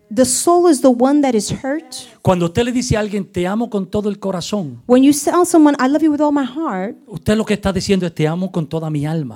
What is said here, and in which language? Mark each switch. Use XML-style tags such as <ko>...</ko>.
<en>The soul is the one that is hurt.</en> <es>Cuando usted le dice a alguien te amo con todo el corazón.</es> <en>When you tell someone I love you with all my heart.</en> <es>Usted lo que está diciendo es te amo con toda mi alma.</es>